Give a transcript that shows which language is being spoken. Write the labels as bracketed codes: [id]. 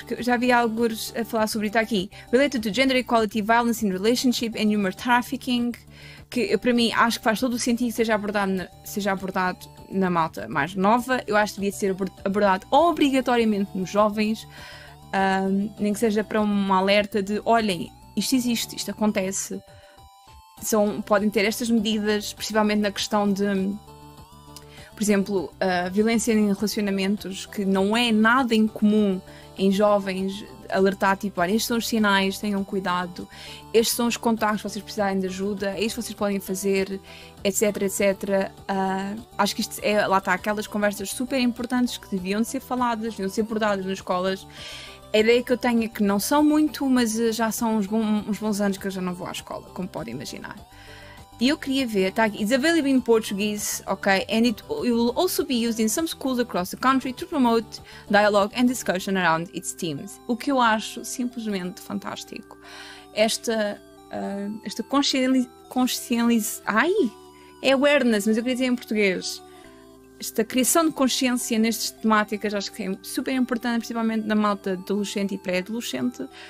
[pt] Porque já vi alguns a falar sobre isso aqui. [en] Related to gender equality, violence in relationship and human trafficking. [pt] Que para mim acho que faz todo o sentido que seja abordado na malta mais nova. Eu acho que devia ser abordado obrigatoriamente nos jovens, nem que seja para uma alerta de olhem, isto existe, isto acontece. Podem ter estas medidas, principalmente na questão de, por exemplo, violência em relacionamentos, que não é nada incomum em jovens, alertar tipo, olha, estes são os sinais, tenham cuidado, estes são os contactos se vocês precisarem de ajuda, isto vocês podem fazer, etc, etc. Acho que isto é, lá está, aquelas conversas super importantes que deviam ser faladas, deviam ser abordadas nas escolas. A ideia que eu tenho é que não são muito, mas já são uns bons anos que eu já não vou à escola, como podem imaginar. E eu queria ver, tá aqui, [en] it's available in Portuguese, ok, and it will also be used in some schools across the country to promote dialogue and discussion around its themes. [pt] O que eu acho simplesmente fantástico. Esta consciência, ai, é awareness, mas eu queria dizer em português. Esta criação de consciência nestas temáticas acho que é super importante, principalmente na malta adolescente e pré-adolescente.